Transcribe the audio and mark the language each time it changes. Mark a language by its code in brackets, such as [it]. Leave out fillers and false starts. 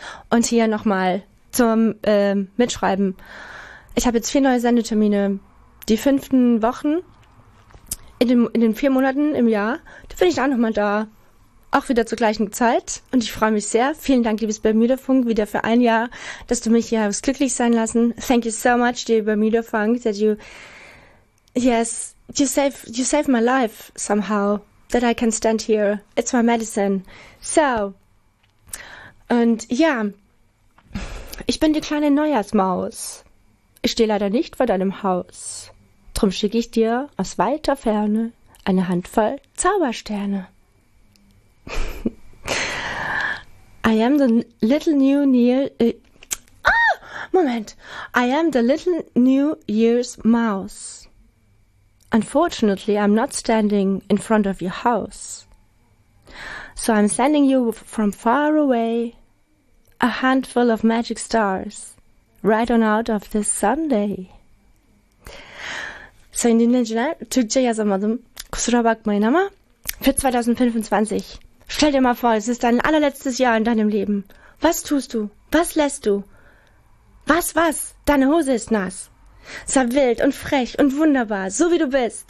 [de] Und hier nochmal zum Mitschreiben. Ich habe jetzt 4 neue Sendetermine, die 5. Wochen. In den 4 Monaten im Jahr, da bin ich auch nochmal da. Auch wieder zur gleichen Zeit. Und ich freue mich sehr. Vielen Dank, liebes Bermudafunk, wieder für ein Jahr, dass du mich hier hast glücklich sein lassen. [en] Thank you so much, dear Bermudafunk, that you, yes, you save my life somehow, that I can stand here. It's my medicine. So. [de] Und ja. Ich bin die kleine Neujahrsmaus. Ich stehe leider nicht vor deinem Haus. Drum schicke ich dir aus weiter Ferne eine Handvoll Zaubersterne. [en] I am the little new Neil. Moment! I am the little New Year's mouse. Unfortunately, I'm not standing in front of your house. So I'm sending you from far away a handful of magic stars right on out of this Sunday. Sein Dinner, Tutsche, ja, sag mal so, Kusurabak, mein Name, für 2025. [de] Stell dir mal vor, es ist dein allerletztes Jahr in deinem Leben. Was tust du? Was lässt du? Was? Deine Hose ist nass. Sei wild und frech und wunderbar, so wie du bist.